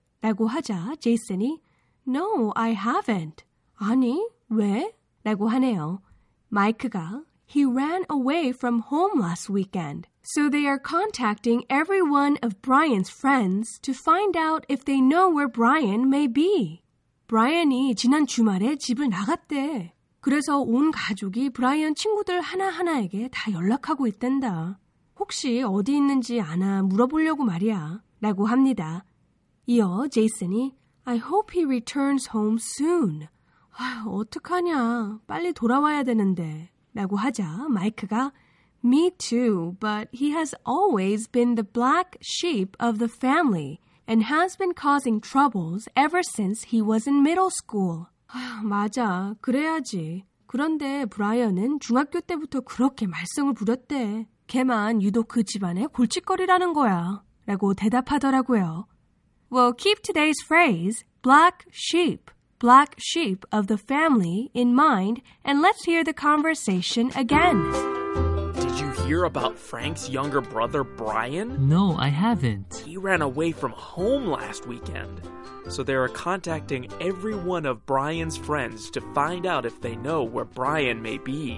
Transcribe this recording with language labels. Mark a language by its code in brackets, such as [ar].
[ko] 라고 하자 제이슨이 [en] No, I haven't. [ko] 아니, 왜? 라고 하네요. 마이크가 [en] He ran away from home last weekend. So they are contacting every one of Brian's friends to find out if they know where Brian may be. [ko] Brian이 지난 주말에 집을 나갔대. 그래서 온 가족이 브라이언 친구들 하나하나에게 다 연락하고 있단다. 혹시 어디 있는지 아나 물어보려고 말이야. 라고 합니다. 이어 제이슨이 [en] I hope he returns home soon. [ko] 아휴, 어떡하냐. 빨리 돌아와야 되는데. 라고 하자 마이크가 [en] Me too, but he has always been the black sheep of the family and has been causing troubles ever since he was in middle school. [ko] 아휴, 맞아. 그래야지. 그런데 브라이언은 중학교 때부터 그렇게 말썽을 부렸대. 걔만 유독 그 집안의 골칫거리라는 거야. 라고 대답하더라고요. [en] Well, keep today's phrase, black sheep of the family, in mind, and let's hear the conversation again. Did you hear about Frank's younger brother, Brian? No, I haven't. He ran away from home last weekend, so they are contacting every one of Brian's friends to find out if they know where Brian may be.